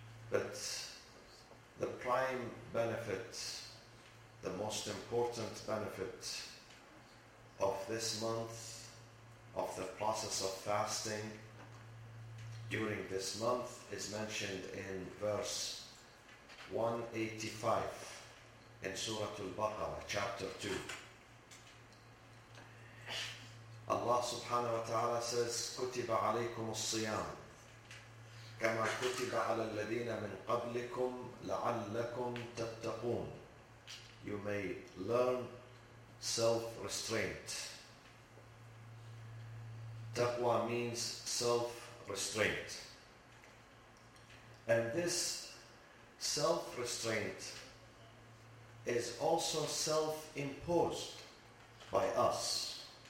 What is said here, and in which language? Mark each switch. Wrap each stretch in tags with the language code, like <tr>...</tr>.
<en>But the prime benefit, the most important benefit of this month, of the process of fasting during this month, is mentioned in verse 185 in Surah Al-Baqarah, chapter 2. Allah subhanahu wa ta'ala says,</en> <ar>كُتِبَ عَلَيْكُمُ الصِّيَامُ كَمَا كُتِبَ عَلَى الَّذِينَ مِنْ قَبْلِكُمْ لَعَلَّكُمْ تَتَّقُونَ.</ar> <en>You may learn self-restraint. Taqwa means self-restraint. And this self-restraint is also self-imposed by us.</en>